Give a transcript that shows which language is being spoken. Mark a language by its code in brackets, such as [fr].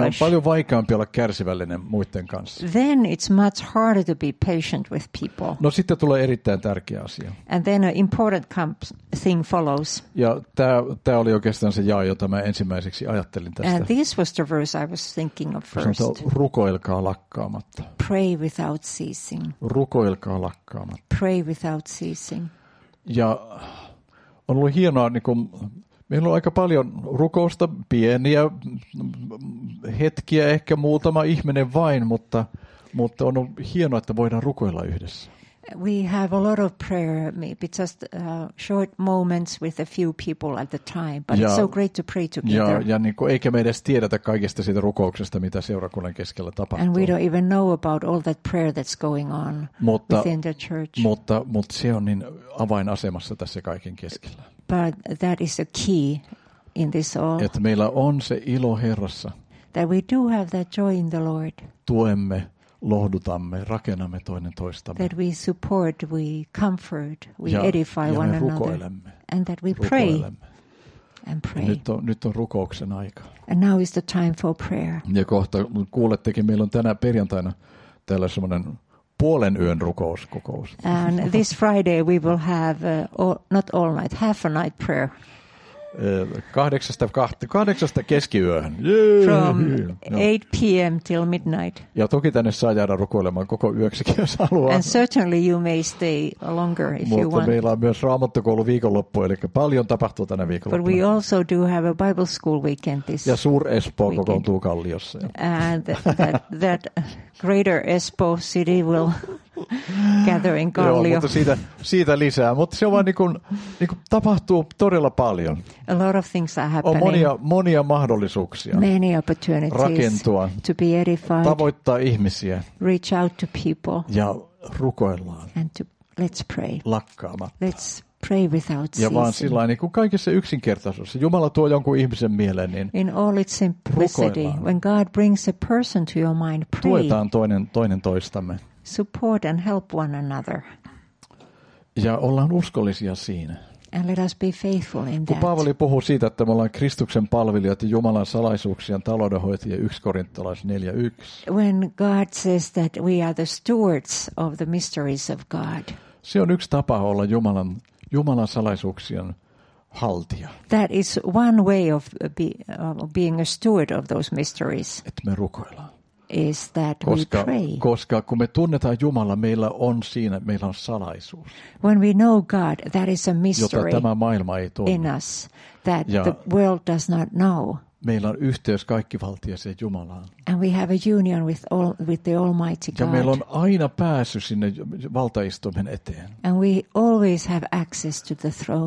[fi] Niin on paljon vaikeampi olla kärsivällinen muiden kanssa. [en] Then it's much harder to be patient with people. [fi] No sitten tulee erittäin tärkeä asia. [en] And then an important thing follows. [fi] Ja tämä oli oikeastaan se jae, jota mä ensimmäiseksi ajattelin tästä. [en] And this was the verse I was thinking of first. [fi] Sanotaan, rukoilkaa lakkaamatta. [en] Pray without ceasing. [fi] Rukoilkaa lakkaamatta. [en] Pray without ceasing. [fi] Ja on ollut hienoa, niin kun meillä on aika paljon rukousta, pieniä hetkiä, ehkä muutama ihminen vain, mutta on ollut hienoa, että voidaan rukoilla yhdessä. [en] We have a lot of prayer, maybe just short moments with a few people at the time, but it's so great to pray together. [fi] Ja niin kuin, eikä me edes tiedetä kaikesta siitä rukouksesta, mitä seurakunnan keskellä tapahtuu. [en] And we don't even know about all that prayer that's going on within the church. [fi] Mutta se on niin avainasemassa tässä kaiken keskellä. [en] But that is a key in this all. [fi] Että meillä on se ilo Herrassa. [en] That we do have that joy in the Lord. [fi] Tuemme. Lohdutamme, rakennamme toinen toistamme. [en] That we support, we comfort, we edify one another. And that we pray. And pray. [fi] Nyt on rukouksen aika. [en] And now is the time for prayer. [fi] Ja kohta kuulettekin, meillä on tänä perjantaina täällä semmoinen puolen yön rukouskokous. [en] And this Friday we will have not all night, half a night prayer. [fi] 8:00 keskiyöhön. [en] From 8 p.m. till midnight. [fi] Ja toki tänne saa jäädä rukoilemaan koko yöksikin, jos haluaa. [en] And certainly you may stay longer if [fi] mutta [en] you want. [fi] Meillä on myös raamattokoulu viikonloppu, eli paljon tapahtuu tänä viikonloppuna. [en] But we also do have a Bible school weekend this [fi] ja Suur-Espoo weekend. Kokoontuu Kalliossa. [en] And that greater Espoo city will gather in Kallio. [fi] Joo, mutta siitä lisää. Mutta se on vaan niin kuin tapahtuu todella paljon. [en] A lot of things are happening. [fi] On monia mahdollisuuksia. [en] Many opportunities. [fi] Rakentua. [en] To be edified. [fi] Tavoittaa ihmisiä. [en] Reach out to people. [fi] Ja rukoillaan. [en] And let's pray. [fi] Lakkaamatta. [en] Let's pray without ceasing. [fi] Ja vaan sillain, niin kuin kaikessa yksinkertaisuudessa. Jumala tuo jonkun ihmisen mieleen, niin [en] in all its simplicity. When God brings a person to your mind, pray. [fi] Tuetaan toinen toistamme. [en] Support and help one another. [fi] Ja ollaan uskollisia siinä. [en] And let us be faithful in that. [fi] Kun Paavali puhuu siitä, että me ollaan Kristuksen palvelijat ja Jumalan salaisuuksien taloudenhoitajia, 1 Korinttolaiset 4:1. [en] When God says that we are the stewards of the mysteries of God. [fi] Se on yksi tapa olla Jumalan salaisuuksien haltija. [en] That is one way of being a steward of those mysteries. [fi] Että me rukoillaan. [en] is that [fi] koska, [en] we pray. [fi] Koska kun me tunnetaan Jumala, meillä on siinä, meillä on salaisuus. [en] When we know God, that is a mystery. [fi] Jota tämä maailma ei tunne. [en] In us, that ja the world does not know. [fi] Meillä on yhteys kaikkivaltiaseen Jumalaan. [en] And we have a union with all with the Almighty God. [fi] Ja meillä on aina pääsy sinne valtaistuimen eteen. [en] And we always have access to the throne.